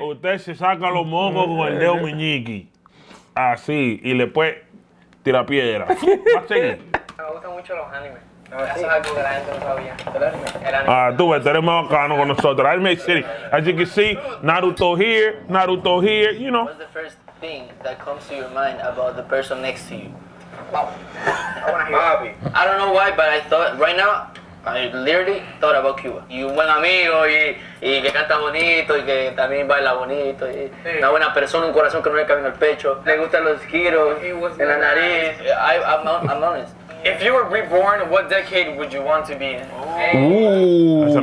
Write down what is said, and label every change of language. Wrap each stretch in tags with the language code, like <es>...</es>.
<es>Usted se saca los mocos con el dedo meñique. Así, y después tira piedra. ¿Va a seguir? Me gustan mucho los animes. Eso es algo que la gente no sabía. Tú ves, tú eres más bacano con nosotros.</es> <en>Anime City. As you can see, Naruto here, you know. What's the first thing that comes to your mind about the person next to you? Bobby. I don't know why, but I thought, right now, I literally thought about Cuba.</en> <es>Y un buen amigo, y que canta bonito, y que también baila bonito, y sí. Una buena persona, un corazón que no le cabe en el pecho. Le gustan los giros en la nariz. I'm honest.</es> <en>If you were reborn, what decade would you want to be in?</en>